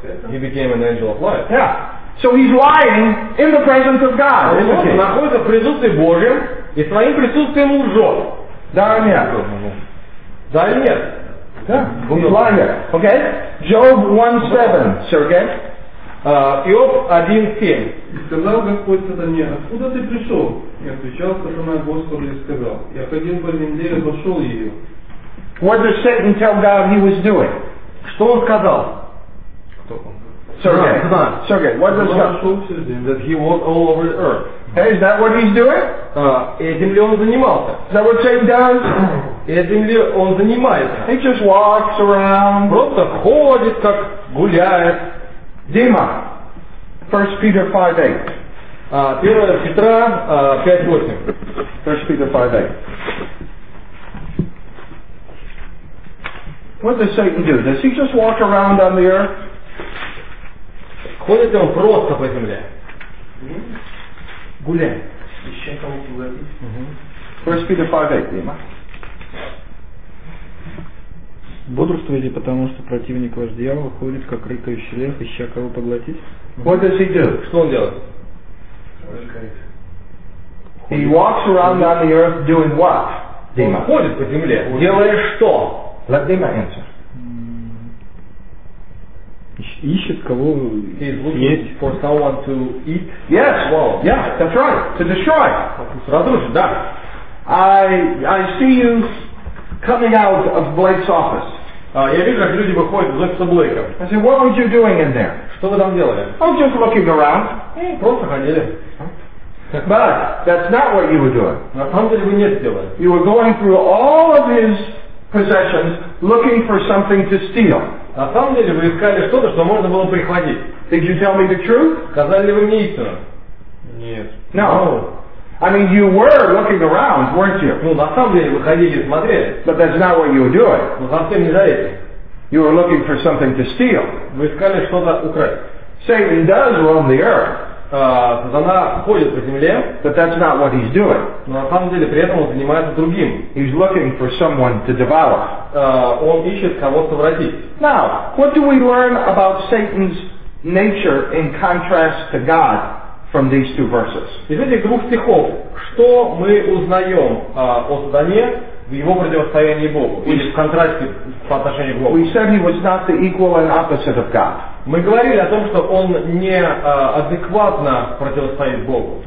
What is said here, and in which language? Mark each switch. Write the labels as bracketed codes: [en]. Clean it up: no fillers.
[en] He became an angel of light. Yeah. So he's lying in the presence of God. [ru] Он находится в присутствии Божьем и своим присутствием лжет. Да или нет? Да или нет? Да. [en] He's lying. Okay. Job 1:7, Sergey. [ru] Иов 1:7. И сказал Господь сатане, откуда ты пришел? И отвечал сатана Господу и сказал, я ходил по земле и обошел ее. [en] What did Satan tell God he was doing? [ru] Что он сказал? Кто он? [en] Sergey, what does God show to him that he walked all over the earth? Hey, is that what he's doing? [ru] Этим ли он занимался? [en] Is that what Satan does? [ru] Этим ли он занимается? [en] He just walks around. [ru] Просто ходит, как гуляет. [en] Дима, 1 Peter 5:8. [ru] 1 Петра 5:8. [en] 1 Peter 5:8. What does Satan do? Does he just walk around on the earth? [ru] Ходит он просто по земле. Гуляет. Ищет кого гулять. [en] 1 Peter 5:8, Дима. [ru] Бодрствуйте, потому что противник ваш дьявол ходит, как рыкающий лев, ища кого поглотить. [en] What does he do? [ru] Что он делает? [en] He walks around on the earth doing what? Дима. [ru] Он ходит по земле. Делая что? [en] Let Dima answer. [ru] Ищет кого есть. [en] For someone to eat. Yes. Well, yeah, that's right. To destroy. [ru] Разрушить, да. [en] I see you coming out of Blake's office. [ru] Я вижу, как люди выходят из офиса Блейка. [en] I said, what were you doing in there? [ru] Что вы там делали? [en] I'm just looking around. [ru] Просто ходили. [en] But that's not what you were doing. [ru] На самом деле вы не это делали. [en] You were going through all of his possessions looking for something to steal. [ru] На самом деле вы искали что-то, что можно было прихватить. [en] Did you tell me the truth? [ru] Сказали ли вы мне истину? Нет. [en] No. I mean, you were looking around, weren't you? [ru] Ну, на самом деле, вы ходили и смотрели. [en] But that's not what you were doing. [ru] Но совсем не за это. [en] You were looking for something to steal. [ru] Вы искали что-то украсть. [en] Satan does roam the earth. [ru] Сатана ходит по земле. [en] But that's not what he's doing. [ru] Но на самом деле, при этом он занимается другим. [en] He's looking for someone to devour. [ru] Он ищет кого-то вратить. [en] Now, what do we learn about Satan's nature in contrast to God? From these two verses. [ru] Из этих двух стихов, что мы узнаем о Сатане в его противостоянии Богу? Или в контрасте по отношению к Богу? [en] We said he was not the equal and opposite of God. [ru] Мы говорили о том, что он не адекватно противостоит Богу.